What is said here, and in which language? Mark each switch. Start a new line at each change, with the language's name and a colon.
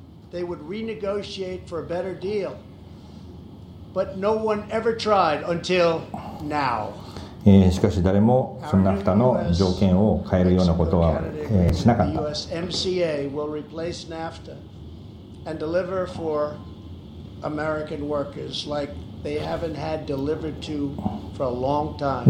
English: They would renegotiate for a better deal, but no one ever tried until now.
Japanese: しかし誰もそのナフタの条件を変えるようなことはしなかった。
English: USMCA will replace NAFTA and deliver for American workers like they haven't had delivered to for a long time.